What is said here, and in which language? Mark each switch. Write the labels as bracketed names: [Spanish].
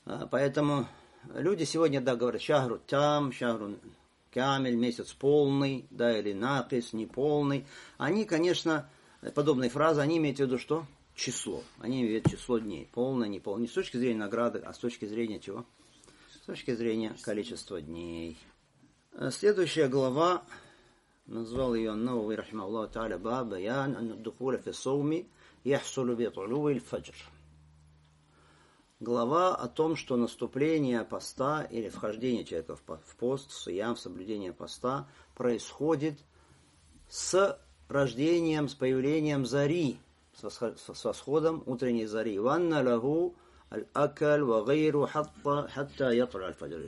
[Russian] Поэтому люди сегодня, да, говорят, шахру там, шахру камель, месяц полный, да, или накис, неполный. Они, конечно, подобные фразы, они имеют в виду что? Число. Они имеют в виду число дней. Полное, неполное. Не с точки зрения награды, а с точки зрения чего? С точки зрения количества дней. Следующая глава, назвал ее [Arabic] Ан-Нووي رحمه الله تعالى باب بيان أن الدخول في الصوم يحصل بطلوع الفجر. [Russian] Глава о том, что наступление поста или вхождение человека в пост, в суям, в соблюдение поста происходит с рождением, с появлением зари, с восходом утренней зари. [Arabic] وَأَنَّ لَهُ الْأَكَلُ وَغَيْرُ حَتَّى يَطْلُعَ الْفَجْرِ.